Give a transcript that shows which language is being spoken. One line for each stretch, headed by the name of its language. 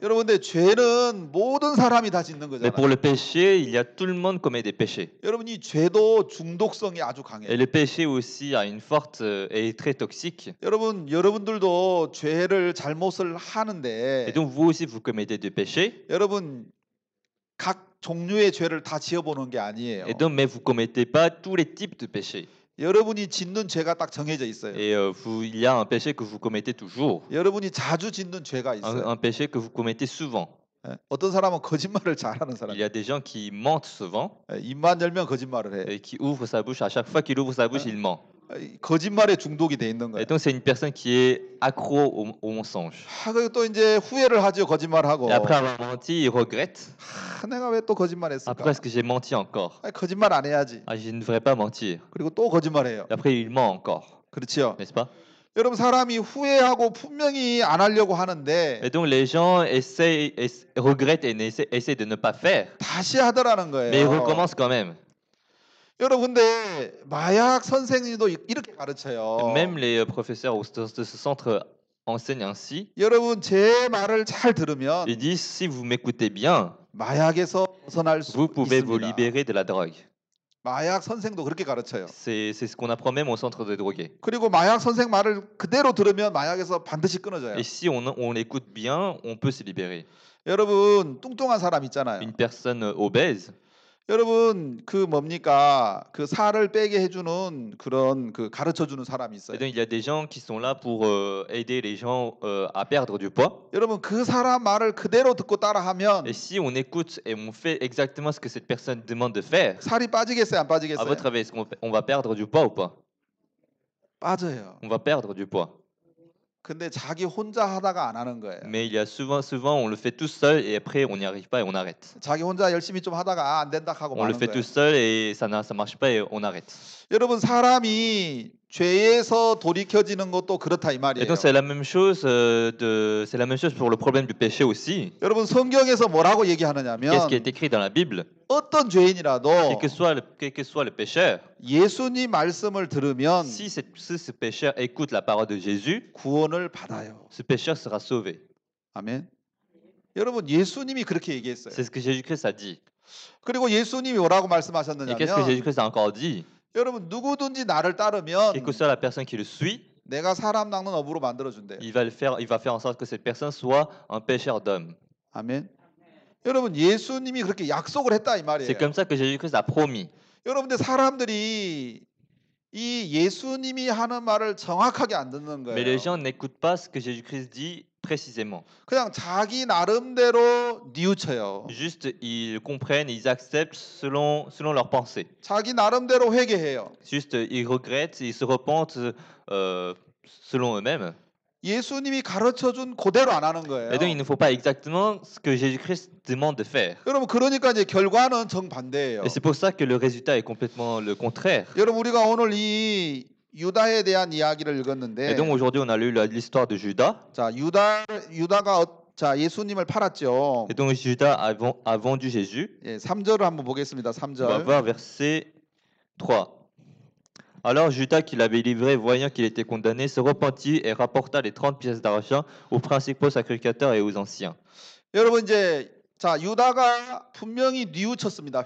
Korean: 여러분, 근데 죄는 모든 사람이 다 짓는 거잖아요.
French: Mais pour le péché, il y a tout le monde commet des péchés.
Korean: 여러분, 이 죄도 중독성이 아주 강해요.
French: Et le péché aussi a une forte et très toxique.
Korean: 여러분, 여러분들도 죄를 잘못을 하는데.
French: Et donc vous aussi vous commettez des péchés.
Korean: 여러분, 각 종류의 죄를 다 지어보는 게 아니에요.
French: Et donc mais vous commettez pas tous les types de péchés.
Korean: 여러분이 짓는 죄가 딱 정해져 있어요.
French: Et il y a un péché que vous commettez toujours.
Korean: 여러분이 자주 짓는 죄가 있어요.
French: Un péché que vous commettez souvent.
Korean: 어떤 사람은 거짓말을 잘하는 사람.
French: Il y a des gens qui mentent souvent.
Korean: 입만 열면 거짓말을 해.
French: Et qui ouvre sa bouche à chaque fois qu'il ouvre sa bouche, il ment.
Korean: 거짓말에 중독이 돼 있는 거야.
French: Et donc c'est une personne qui est accro au mensonge.
Korean: 아, 그리고 또 이제 후회를 하죠, 거짓말하고.
French: Et après avoir menti, il regrette.
Korean: 아, 내가 왜 또 거짓말했을까?
French: Après, est-ce que j'ai menti encore?
Korean: 아, 거짓말 안 해야지.
French: Ah, je ne devrais pas mentir.
Korean: 그리고 또 거짓말해요.
French: Et après, il ment encore.
Korean: 그렇죠.
French: N'est-ce pas?
Korean: 여러분 사람이 후회하고 분명히 안 하려고 하는데
French: Et donc les gens regrettent et essaient de ne pas faire.
Korean: 다시 하더라는 거예요.
French: Mais ils recommencent quand même.
Korean: 여러분 근데 마약 선생님도 이렇게 가르쳐요.
French: Même les professeurs de ce centre enseignent ainsi.
Korean: 여러분 제 말을 잘 들으면
French: Ils disent si vous m'écoutez bien,
Korean: 마약에서 벗어날 수
French: Vous pouvez
Korean: 있습니다.
French: vous libérer de la drogue.
Korean: 마약 선생도 그렇게 가르쳐요.
French: C'est ce qu'on apprend même au centre des drogués.
Korean: 그리고 마약 선생 말을 그대로 들으면 마약에서 반드시 끊어져요.
French: Et si on écoute bien, on peut se libérer.
Korean: 여러분 뚱뚱한 사람 있잖아요.
French: Une personne obèse.
Korean: 여러분 그 뭡니까 그 살을 빼게 해주는 그런 그 가르쳐주는 사람이 있어요.
French: Et donc, il y a des gens qui sont là pour aider les gens à perdre du poids.
Korean: 여러분 그 사람 말을 그대로 듣고 따라하면
French: Et si on écoute et on fait exactement ce que cette personne demande de faire,
Korean: 살이 빠지겠어요 안 빠지겠어요?
French: À votre avis, est-ce qu'on va perdre du poids ou pas?
Korean: 맞아요.
French: On va perdre du poids.
Korean: 근데 자기 혼자 하다가 안 하는 거예요.
French: Mais il y a souvent, on le fait tout seul et après, on n'y arrive pas et on arrête.
Korean: 자기 혼자 열심히 좀 하다가 아, 안 된다 하고
French: On le
Korean: 마는
French: fait
Korean: 거예요.
French: tout seul et ça marche pas et on arrête.
Korean: 여러분, 사람이 죄에서 돌이켜지는 것도 그렇다 이
French: Et donc,
Korean: 말이에요.
French: c'est la même chose pour le problème du péché aussi.
Korean: 여러분, 성경에서 뭐라고
French: Qu'est-ce qui est
Korean: 얘기하느냐면
French: écrit dans la Bible?
Korean: 어떤 죄인이라도
French: Quel que soit le pécheur,
Korean: 예수님 말씀을 들으면
French: si ce pécheur écoute la parole de Jésus,
Korean: 구원을 받아요.
French: 네. ce pécheur sera sauvé.
Korean: 아멘. 여러분, 예수님이 그렇게 얘기했어요.
French: C'est ce que Jésus-Christ a dit.
Korean: 그리고 예수님이 뭐라고
French: Et qu'est-ce que
Korean: 말씀하셨느냐면
French: Jésus-Christ a encore dit?
Korean: 여러분, 누구든지 나를
French: Quelle que
Korean: 따르면
French: soit la personne qui le suit,
Korean: 내가 사람 낚는 어부로 만들어 준대요.
French: il va faire en sorte que cette personne soit un pécheur d'homme.
Korean: 아멘. 여러분, 예수님이 그렇게 약속을 했다 이
French: C'est
Korean: 말이에요.
French: comme ça que Jésus-Christ a promis.
Korean: 여러분들, 사람들이 이 예수님이 하는 말을 정확하게 안 듣는
French: Mais les gens
Korean: 거예요.
French: n'écoutent pas ce que Jésus-Christ dit précisément.
Korean: 그냥 자기 나름대로 뉘우쳐요.
French: Juste, ils comprennent, ils acceptent selon leurs pensées.
Korean: 자기 나름대로 회개해요.
French: Juste, ils regrettent, ils se repentent selon eux-mêmes.
Korean: 예수님이 가르쳐 준 그대로 안 하는
French: Et donc, il ne
Korean: 거예요.
French: faut pas exactement ce que Jésus-Christ demande de faire.
Korean: 여러분, 그러니까 이제 결과는
French: Et c'est
Korean: 정반대예요.
French: pour ça que le résultat est complètement le contraire.
Korean: 여러분, 우리가 오늘 이 유다에 대한 이야기를
French: Et
Korean: 읽었는데,
French: donc, aujourd'hui, on a lu l'histoire de Judas.
Korean: 자, 유다가 예수님을 팔았죠.
French: Et donc, Judas a vendu Jésus.
Korean: 예, 3절을 한번 보겠습니다.
French: On va
Korean: 3절.
French: voir verset 3. Alors Judas, qui l'avait livré, voyant qu'il était condamné, se repentit et rapporta les 30 pièces d'argent aux principaux sacrificateurs et aux anciens.
Korean: 여러분, 이제 자, 유다가 분명히 뉘우쳤습니다.